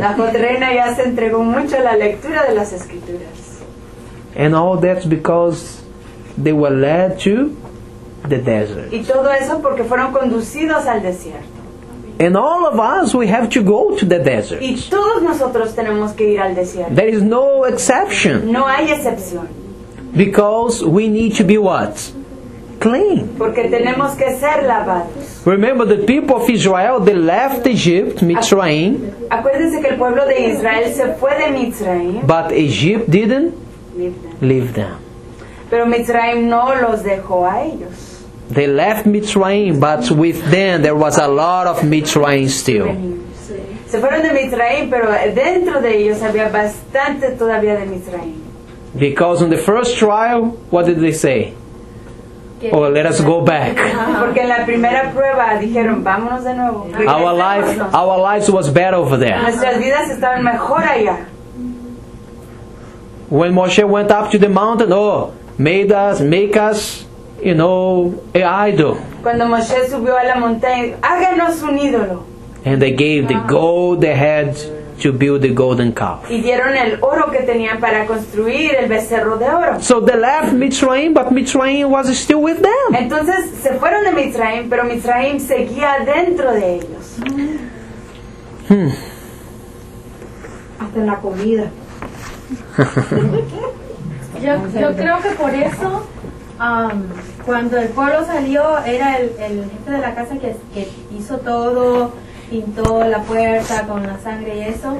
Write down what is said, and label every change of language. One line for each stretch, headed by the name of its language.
Spanish: La Codreina ya se entregó mucho a la lectura de las escrituras.
English: And all that's because they were led to the desert.
Spanish: Y todo eso porque fueron conducidos al desierto.
English: And all of us, we have to go to the desert.
Spanish: Y todos nosotros tenemos que ir al desierto.
English: There is no exception.
Spanish: No hay excepción.
English: Because we need to be what? Clean.
Spanish: Porque tenemos que ser lavados.
English: Remember, the people of Israel, they left Egypt, Mitzrayim.
Spanish: Acuérdense que el pueblo de Israel se fue de Mitzrayim.
English: But Egypt didn't leave them.
Spanish: Pero Mitzrayim no los dejó a ellos.
English: They left Mitzrayim, but with them there was a lot of Mitzrayim still.
Spanish: Se fueron de Mitzrayim, pero dentro de ellos había bastante todavía de Mitzrayim.
English: Because on the first trial, what did they say? Oh, let us go back.
Spanish: Porque en la primera prueba dijeron, vámonos de nuevo.
English: Our lives was better over there.
Spanish: Nuestras vidas estaban mejor allá.
English: When Moshe went up to the mountain, oh, make us, you know, an idol.
Spanish: Cuando Moshe subió a la montaña, háganos un ídolo.
English: And they gave the gold they had to build the golden calf.
Spanish: Y dieron el oro que tenían para construir el becerro de oro.
English: So they left Mitzrayim, but Mitzrayim was still with them.
Spanish: Entonces se fueron de Mitzrayim, pero Mitzrayim seguía dentro de ellos. Hasta en la comida. yo creo que por eso cuando el pueblo salió era el jefe de la casa que hizo todo, pintó la puerta con la sangre y eso.